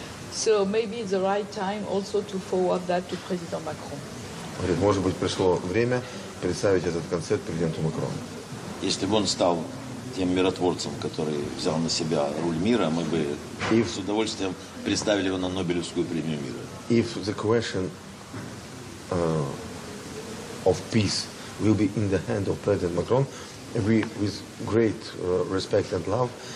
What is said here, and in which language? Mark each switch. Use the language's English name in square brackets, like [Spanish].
[English] So maybe it's the right time also to forward that to President Macron. [Russian] Может быть пришло время представить этот концепт президенту Макрону. Если бы он стал тем миротворцем, который взял на себя руль мира, мы бы с удовольствием представили его на Нобелевскую премию мира. [English] If the question of peace will be in the hand of President Macron, we, with great respect and love,